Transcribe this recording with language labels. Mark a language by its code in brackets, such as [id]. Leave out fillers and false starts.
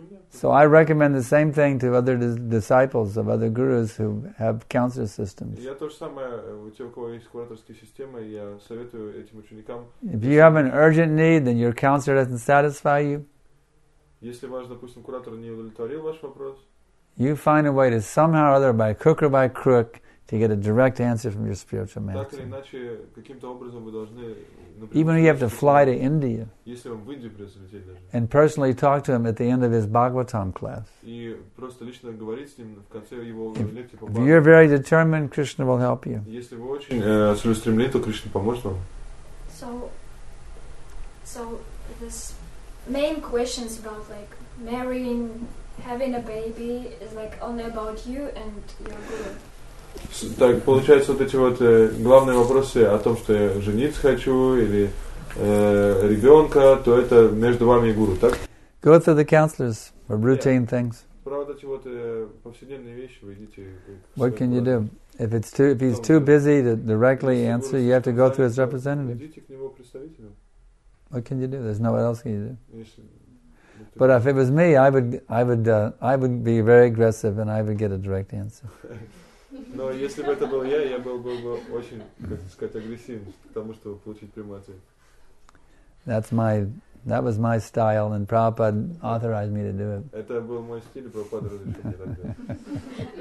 [en] So I recommend the same thing to other disciples of other gurus who have counselor systems. If you have an urgent need, then your counselor doesn't satisfy you. [ru] Если ваш, допустим, куратор не удовлетворил ваш вопрос, [en] you find a way to somehow or other, by crook or by crook, to get a direct answer from your spiritual master. [ru] Так или иначе, каким-то образом вы должны, например, [en] even if you have to fly to India, [ru] если вам в Индию прилететь даже, [en] and personally talk to him at the end of his Bhagavatam class. [ru] И просто лично говорить с ним в конце его лекции по Бхагаватам. [en] If you're very determined, Krishna will help you. [ru] Если вы очень целеустремлены, то Кришна поможет вам. [en] So this main question is about like marrying, having a baby is like only about you and your guru. [ru] Так получается, вот эти вот главные вопросы о том, что я жениться хочу или ребенка, то это между вами и гуру, так? [en] Go to the counselors for routine things. [ru] Правда, эти вот повседневные вещи вы идите. [en] What can you do? If it's too, if he's too busy to directly answer, you have to go through his representative. [ru] Идите к нему представителю. [en] What can you do? There's no what else can you do. But if it was me, I would be very aggressive and I would get a direct answer. [ru] Но если бы это был я, я был бы очень, как сказать, агрессивен, потому что получить прямой ответ. [en] That was my style, and Prabhupada authorized me to do it. [ru] Это был мой стиль, Прабхупада разрешил мне